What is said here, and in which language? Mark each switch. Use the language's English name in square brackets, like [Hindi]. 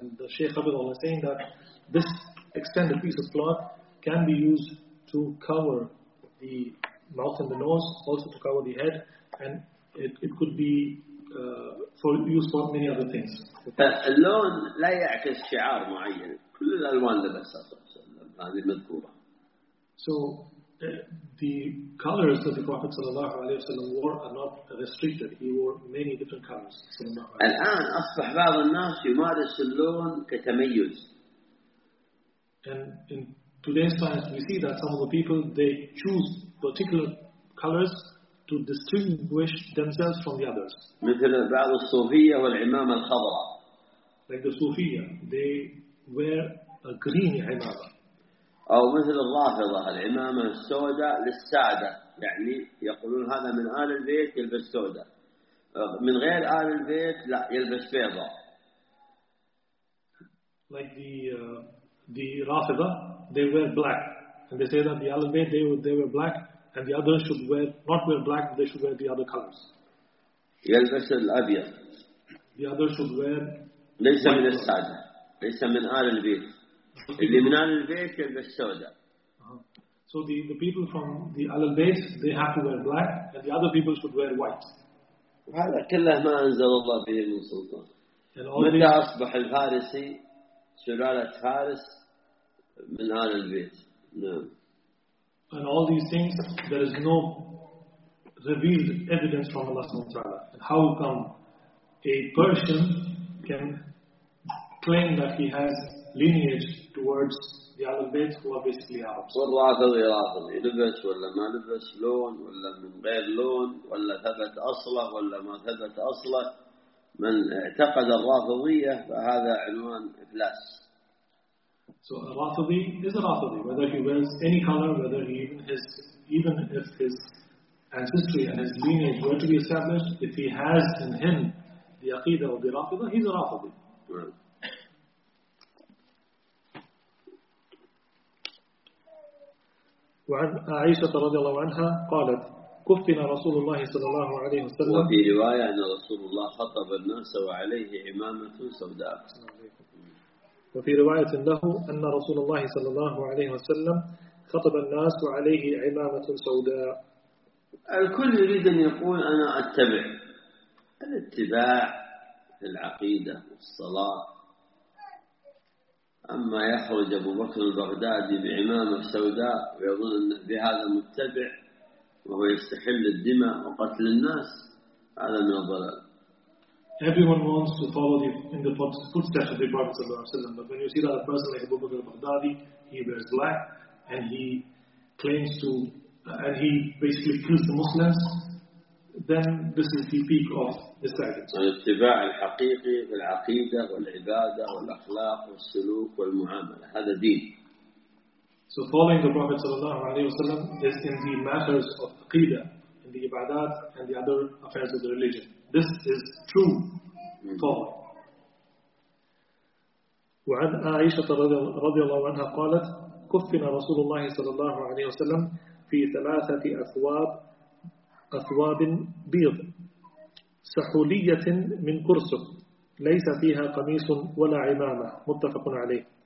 [English] And the Shaykh Hafidhullah is saying that this extended piece of cloth can be used to cover the mouth and the nose, also to cover the head, and it could be for use for many other things. [Arabic] اللون لا يعكس شعار معين. كل الألوان لبسها هذه مذكورة. [English] So. The colors that the Prophet sallallahu alaihi wasallam wore are not restricted. He wore many different colors. [Arabic] الآن أصبح بعض الناس يمارس اللون كتميز. [English] And in today's times, we see that some of the people they choose particular colors to distinguish themselves from the others. [Arabic] مثل بعض الصوفية والعمامة الخضراء. [English] Like the Sufiya, they wear a green imamah. [Arabic] أو مثل الرافضة العمامة السوداء للسادة, يعني يقولون هذا من آل البيت يلبس سوداء, من غير آل البيت لا يلبس بيضاء. [English] Like the رافضة they wear black and they say that the آل البيت they wear black and the others should wear not wear black they should wear the other colors. [Arabic] يلبس الأبيض. [English] The others should wear. [Arabic] ليس من السادة ليس من آل البيت. اللي من آل البيت يلبس سوداء. [English] So the people from the آل البيت they have to wear black and the other people should wear white. [Arabic] هذا كله ما أنزل الله به من سلطان. متى أصبح الفارسي سلالة فارس من آل البيت؟ نعم. [English] And all these things there is no revealed evidence from Allah subhanahu wa ta'ala. And how come a Persian can claim that he has lineage towards البيت هو basically Arabs. [Arabic] والله هذا يلاحظ لبس ولا ما لبس، لون ولا من غير لون، ولا ثبت أصله ولا ما ثبت أصله. من اعتقد الرافضية فهذا عنوان إفلاس. [English] So a Rafidi is a Rafidi, whether he wears any color, whether he even his, even if his ancestry and his lineage were to be established, if he has in him the Aqidah of the Rafida, he's a Rafidi. [Arabic] وعن عائشة رضي الله عنها قالت كفنا رسول الله صلى الله عليه وسلم. وفي رواية أن رسول الله خطب الناس وعليه عمامة سوداء. وفي رواية له أن رسول الله صلى الله عليه وسلم خطب الناس وعليه عمامة سوداء. الكل يريد أن يقول أنا أتبع. الاتباع في العقيدة والصلاة. أما يخرج أبو بكر البغدادي بعمامة سوداء ويظن أن بهذا متبع وهو يستحل الدماء وقتل الناس، هذا من الضلال. [English] Everyone wants to follow the in the footsteps of the Prophet [Arabic] صلى الله عليه وسلم. [English] But when you see that a person like Abu Bakr al-Baghdadi, he wears black and he claims to and he basically kills the Muslims, then this is the peak of the status. [Arabic] الاتباع الحقيقي في العقيدة والعبادة والأخلاق والسلوك والمعاملة، هذا دين. [English] So following the Prophet [Arabic] صلى الله عليه وسلم [English] is in the matters of aqidah, in the ibadat and the other affairs of the religion. This is true following. [Arabic] وعن عائشة رضي الله عنها قالت كفنا رسول الله صلى الله عليه وسلم في ثلاثة أثواب بيض سحولية من كرسب ليس فيها قميص ولا عمامة. متفق عليه.